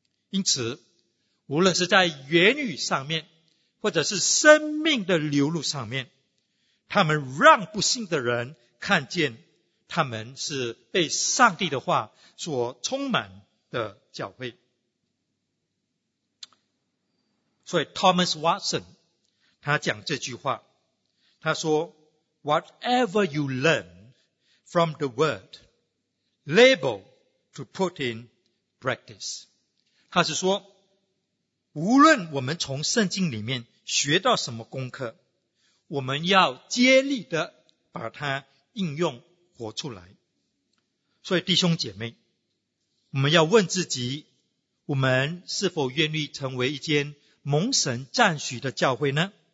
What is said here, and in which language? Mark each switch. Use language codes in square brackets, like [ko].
[zh] 因此无论是在言语上面或者是生命的流露上面，他们让不信的人看见他们是被上帝的话所充满的教会。所以 [en] Thomas Watson [zh] 他讲这句话，他说 [en] Whatever you learn from the word, label to put in practice. [zh] 他是说无论我们从圣经里面学到什么功课，我们要接力的把它应用活出来。所以弟兄姐妹，我们要问自己，我们是否愿意成为一间蒙神赞许的教会呢？